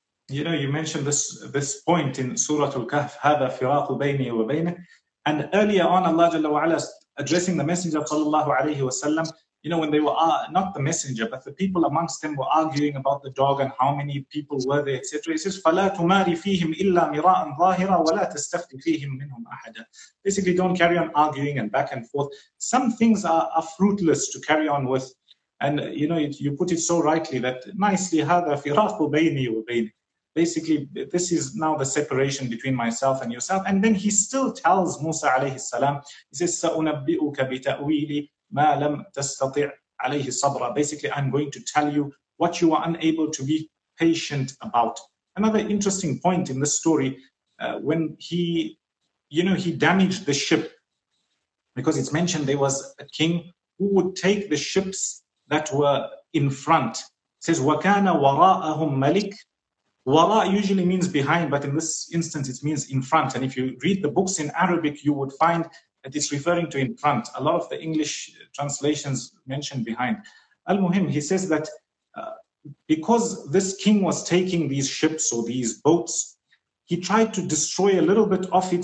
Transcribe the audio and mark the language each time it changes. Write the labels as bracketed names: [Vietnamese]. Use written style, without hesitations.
[English] You know, you mentioned this point in Surah Al-Kahf, [Arabic] هَذَا فِرَاقُ بَيْنِي وَبَيْنِكَ. [English] And earlier on, Allah Jalla wa'ala addressing the Messenger of Sallallahu Alaihi Wasallam, you know, when they were, not the Messenger, but the people amongst them were arguing about the dog and how many people were there, etc. He says, [Arabic] فَلَا تُمَارِ فِيهِمْ إِلَّا مِرَاءً ظَاهِرًا وَلَا تَسْتَفْتِ فِيهِمْ مِنْهُمْ أَحَدًا. [English] Basically, don't carry on arguing and back and forth. Some things are fruitless to carry on with. And, you know, you put it so rightly that nicely, [Arabic] هَذَا فِرَاقُ بَيْنِي وَبَيْنِكَ. [English] Basically, this is now the separation between myself and yourself. And then he still tells Musa alayhi salam, he says, [Arabic] سَأُنَبِّئُكَ بِتَأْوِيلِ مَا لَمْ تَسْتَطِعْ عَلَيْهِ صَبْرًا. [English] Basically, I'm going to tell you what you are unable to be patient about. Another interesting point in this story, when he, you know, he damaged the ship, because it's mentioned there was a king who would take the ships that were in front. It says, [Arabic] وَكَانَ وَرَاءَهُمْ مَلِكٌ. [English] Wara usually means behind, but in this instance, it means in front. And if you read the books in Arabic, you would find that it's referring to in front. A lot of the English translations mention behind. Al-Muhim, he says that because this king was taking these ships or these boats, he tried to destroy a little bit of it.